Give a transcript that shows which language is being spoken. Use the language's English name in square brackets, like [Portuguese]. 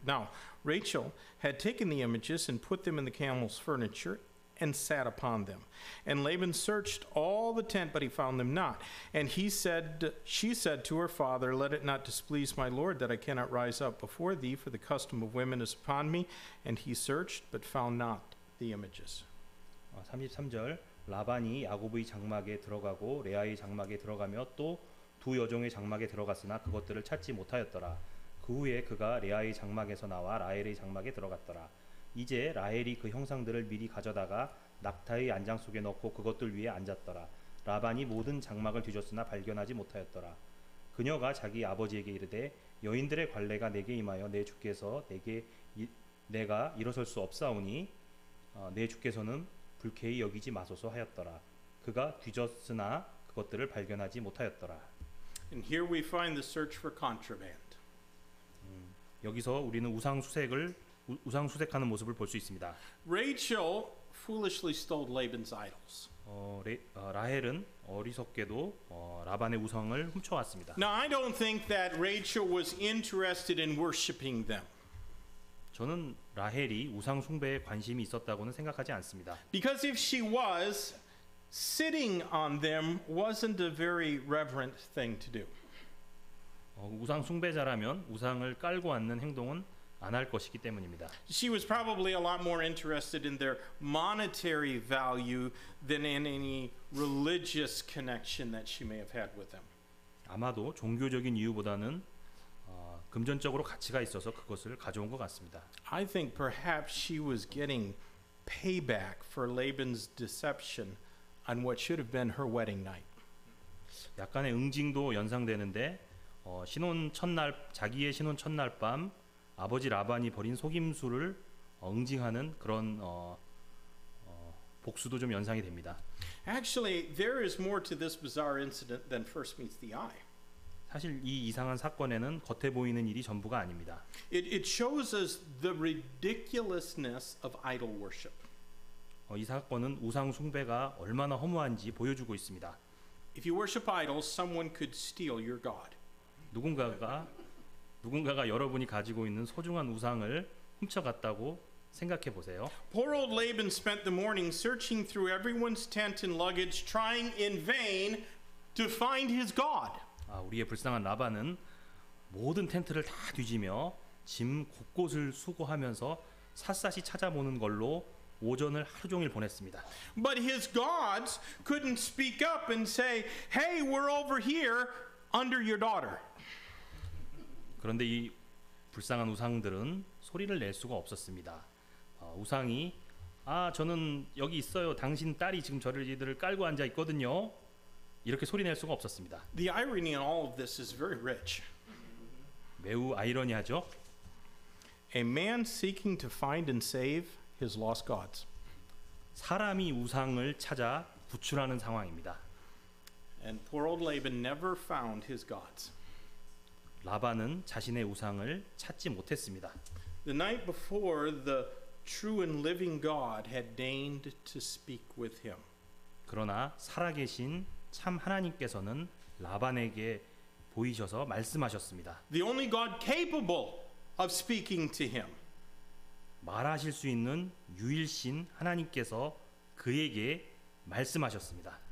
[English] Now, Rachel had taken the images and put them in the camel's furniture and sat upon them. And Laban searched all the tent, but he found them not. And she said to her father, Let it not displease my lord that I cannot rise up before thee, for the custom of women is upon me. And he searched, but found not the images. [Korean] 33절. 라반이 야곱의 장막에 들어가고 레아의 장막에 들어가며 또 두 여종의 장막에 들어갔으나 그것들을 찾지 못하였더라. 그 후에 그가 레아의 장막에서 나와 라헬의 장막에 들어갔더라. 이제 라헬이 그 형상들을 미리 가져다가 낙타의 안장 속에 넣고 그것들 위에 앉았더라. 라반이 모든 장막을 뒤졌으나 발견하지 못하였더라. 그녀가 자기 아버지에게 이르되 여인들의 관례가 내게 임하여 내 주께서 내가 일어설 수 없사오니 내 주께서는 불쾌히 여기지 마소서 하였더라. 그가 뒤졌으나 그것들을 발견하지 못하였더라. [English] And here we find the search for contraband. [Korean] 여기서 우리는 우상 수색하는 모습을 볼 수 있습니다. [English] Rachel foolishly stole Laban's idols. [Korean] 라헬은 어리석게도 라반의 우상을 훔쳐왔습니다. [English] Now I don't think that Rachel was interested in worshiping them. [Korean] 저는 라헬이 우상 숭배에 관심이 있었다고는 생각하지 않습니다. [English] Because if she was, sitting on them wasn't a very reverent thing to do. [Korean] 우상 숭배자라면 우상을 깔고 앉는 행동은 안 할 것이기 때문입니다. [English] She was probably a lot more interested in their monetary value than in any religious connection that she may have had with them. [Korean] 아마도 종교적인 이유보다는 금전적으로 가치가 있어서 그것을 가져온 것 같습니다. [English] I think perhaps she was getting payback for Laban's deception on what should have been her wedding night. [Korean] 약간의 응징도 연상되는데 신혼 첫날 자기의 신혼 첫날 밤 아버지 라반이 벌인 속임수를 응징하는 그런 복수도 좀 연상이 됩니다. [English] Actually, there is more to this bizarre incident than first meets the eye. [Korean] 사실 이 이상한 사건에는 겉에 보이는 일이 전부가 아닙니다. [English] It shows us the ridiculousness of idol worship. [Korean] 이 사건은 우상 숭배가 얼마나 허무한지 보여주고 있습니다. [English] If you worship idols, someone could steal your god. [Korean] 누군가가 여러분이 가지고 있는 소중한 우상을 훔쳐갔다고 생각해 보세요. [English] Poor old Laban spent the morning searching through everyone's tent and luggage, trying in vain to find his god. [Korean] 우리의 불쌍한 라반은 모든 텐트를 다 뒤지며 짐 곳곳을 수거하면서 샅샅이 찾아보는 걸로 오전을 하루 종일 보냈습니다. [English] But his gods couldn't speak up and say, "Hey, we're over here under your daughter." [Korean] 그런데 이 불쌍한 우상들은 소리를 낼 수가 없었습니다. 우상이 아, 저는 여기 있어요. 당신 딸이 지금 저를 이들을 깔고 앉아 있거든요. 이렇게 소리 낼 수가 없었습니다. [English] The irony in all of this is very rich. [Korean] 매우 아이러니하죠? [English] A man seeking to find and save his lost gods. [Korean] 사람이 우상을 찾아 구출하는 상황입니다. [English] And poor old Laban never found his gods. [Korean] 라반은 자신의 우상을 찾지 못했습니다. [English] The night before, the true and living God had deigned to speak with him. [Korean] 그러나 살아계신 참 하나님께서는 라반에게 보이셔서 말씀하셨습니다. [English] The only God capable of speaking to him. [Korean] 말하실 수 있는 유일신 하나님께서 그에게 말씀하셨습니다.